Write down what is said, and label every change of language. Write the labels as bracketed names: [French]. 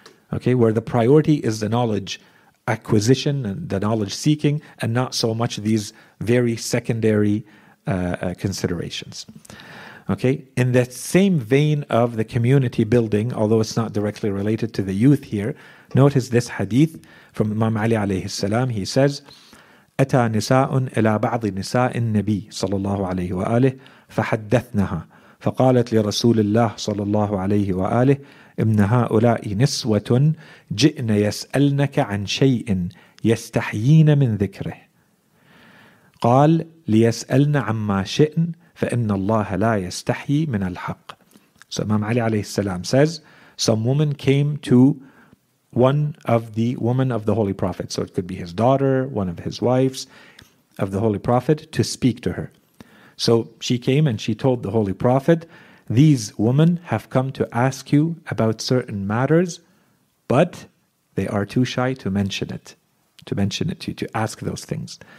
[English] Okay, where the priority is the knowledge acquisition and the knowledge seeking, and not so much these very secondary considerations. Okay, in that same vein of the community building, although it's not directly related to the youth here, notice this hadith from Imam Ali alayhi salam. He says, [Arabic] أتى نساء إلى بعض نساء النبي صلى الله عليه وآله فحدثنها فقالت لرسول الله صلى الله عليه وآله إن هؤلاء نسوة جئن يسألنك عن شيء يستحيين من ذكره قال ليسألن عما شئن فإن الله لا يستحي من الحق. [English] So Imam Ali [Arabic] عليه السلام [English] says, some woman came to one of the women of the Holy Prophet, so it could be his daughter, one of his wives of the Holy Prophet, to speak to her. So she came and she told the Holy Prophet, these women have come to ask you about certain matters, but they are too shy to ask those things.